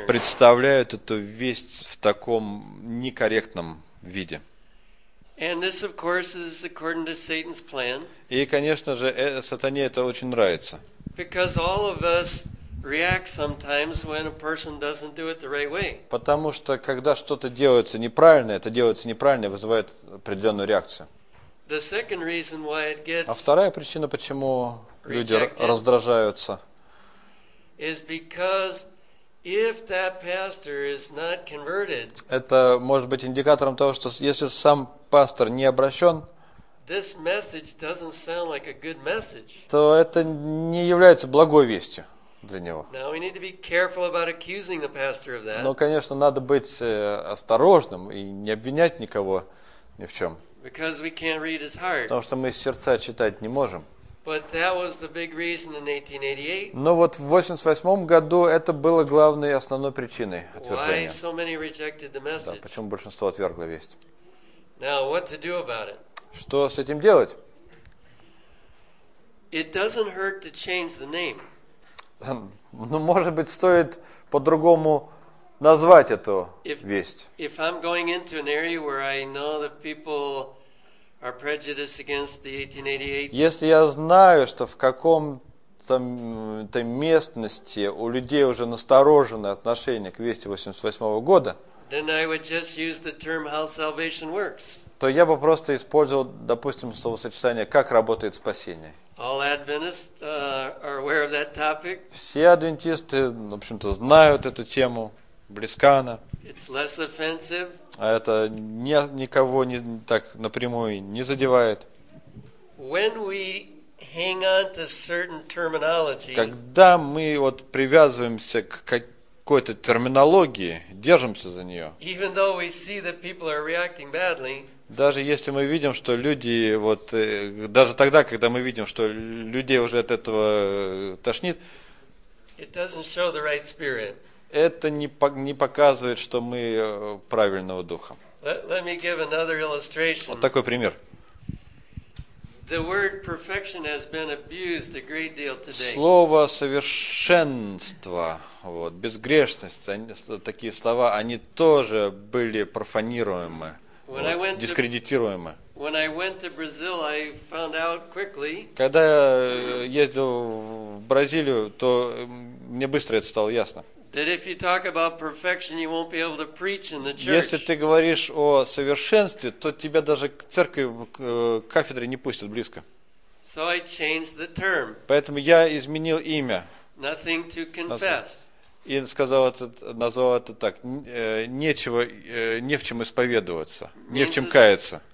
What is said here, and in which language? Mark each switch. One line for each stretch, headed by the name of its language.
Russian: Люди представляют эту весть в таком некорректном виде.
English: And this of course is according to Satan's plan.
Russian: И, конечно же, сатане это очень нравится.
English: Because all of us react sometimes when a person doesn't do it the right way.
Russian: Потому что когда что-то делается неправильно, это делается неправильно, вызывает определённую реакцию.
English: The second reason why it gets
Russian: А вторая причина, почему люди раздражаются
English: is because if that pastor is not converted.
Russian: Это может быть индикатором того, что если сам пастор не обращён,
English: this message doesn't sound like a good message.
Russian: То это не является благой вестью. Для него.
English: Now we need to be careful about accusing the pastor of that.
Russian: Но, конечно, надо быть осторожным и не обвинять никого ни в чем.
English: Because we can't read his heart.
Russian: Потому что мы сердца читать не можем.
English: But that was the big reason in 1888.
Russian: Но вот в 88 году это было главной и основной причиной отвержения.
English: Why so many rejected the message?
Russian: Да, почему большинство отвергло весть?
English: Now what to do about it?
Russian: Что с этим делать?
English: It doesn't hurt to change the name.
Russian: Ну, может быть, стоит по-другому назвать эту весть.
English: If I'm going into an area where I know that people are prejudiced against the 1888.
Russian: Если я знаю, что в каком-то местности у людей уже насторожены отношения к вести 88 года,
English: then I would just use the term how salvation works.
Russian: То я бы просто использовал, допустим, словосочетание как работает спасение.
English: All Adventists are aware of that topic.
Russian: Все адвентисты, в общем-то, знают эту тему, близка она.
English: It's less offensive.
Russian: А это никого не так напрямую не задевает.
English: When we hang on to certain terminology.
Russian: Когда мы вот привязываемся к какой-то терминологии, держимся за неё.
English: Even though we see that people are reacting badly.
Russian: Даже если мы видим, что люди, вот, даже тогда, когда мы видим, что людей уже от этого тошнит,
English: it doesn't show the right spirit.
Russian: Это не показывает, что мы правильного духа.
English: Let me give another illustration.
Russian: Вот такой пример.
English: The word perfection has been abused a great deal today.
Russian: Слово совершенство, вот, безгрешность, такие слова, они тоже были профанируемы, дискредитируемы.
English: When I went to Brazil, I found out quickly.
Russian: Когда я ездил в Бразилию, то мне быстро это стало ясно.
English: That if you talk about perfection, you won't be able to preach in the church.
Russian: Если ты говоришь о совершенстве, то тебя даже к церкви, к кафедре не пустят близко.
English: So I changed the term.
Russian: Поэтому я изменил имя.
English: Nothing to confess.
Russian: И сказал это, назвал это так: нечего, не в чем исповедоваться, не в чем каяться.